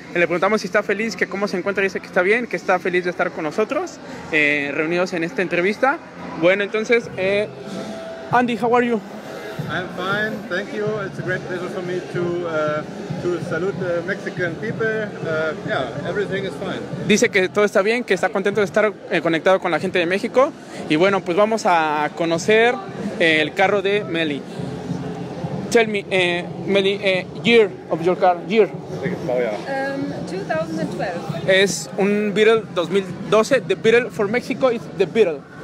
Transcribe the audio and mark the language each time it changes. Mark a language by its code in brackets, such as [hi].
[es] Le preguntamos si está feliz, que cómo se encuentra. Dice que está bien, que está feliz de estar con nosotros, reunidos en esta entrevista. Bueno, entonces, Andy, [en] how are you? I'm fine, thank you. It's a great pleasure for me to salute the Mexican people. Yeah, everything is fine. [es] Dice que todo está bien, que está contento de estar conectado con la gente de México. Y bueno, pues vamos a conocer el carro de Meli. [en] Tell me, Meli, year of your car, year. 2012. [es] Es un Beetle 2012. [en] The Beetle for Mexico is the Beetle.